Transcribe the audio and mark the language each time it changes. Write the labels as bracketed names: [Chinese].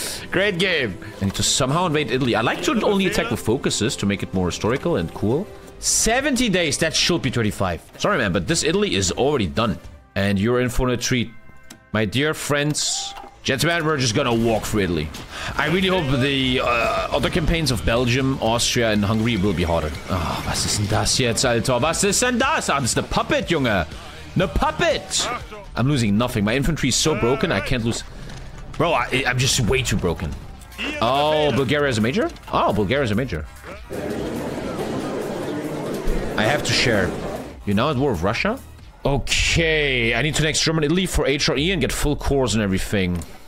[English] Great game. I need to somehow invade Italy. I like to only attack with focuses to make it more historical and cool. 70 days. That should be 25. Sorry, man, but this Italy is already done. And you're in for a treat. My dear friends. Gentlemen, we're just gonna walk through Italy. I really hope the other campaigns of Belgium, Austria, and Hungary will be harder. [German] Oh, was ist denn das jetzt, Alter? Was ist denn das? Ah, das ist eine Puppet, Junge. Eine Puppet. [English] I'm losing nothing. My infantry is so broken, I can't lose... Bro, I'm just way too broken. Oh, Bulgaria is a major? Oh, Bulgaria is a major. I have to share. You're now at war with Russia? Okay, I need to next German Italy for HRE and get full cores and everything.